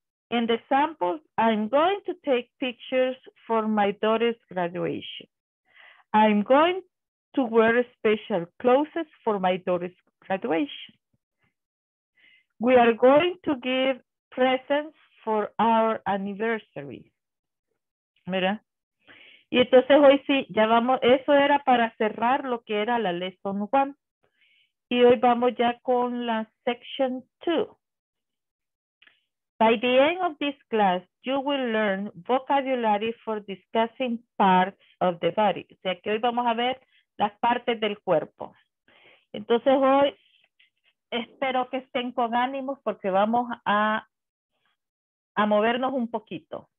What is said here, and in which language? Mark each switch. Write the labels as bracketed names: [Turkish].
[English] In the sample, I'm going to take pictures for my daughter's graduation. I'm going to wear special clothes for my daughter's graduation. We are going to give presents for our anniversary. [Spanish] Mira. Y entonces hoy sí, ya vamos, eso era para cerrar lo que era la lesson one. Y hoy vamos ya con la section two. [English] By the end of this class, you will learn vocabulary for discussing parts of the body. [Spanish] O sea que hoy vamos a ver las partes del cuerpo. Entonces hoy espero que estén con ánimos porque vamos a movernos un poquito.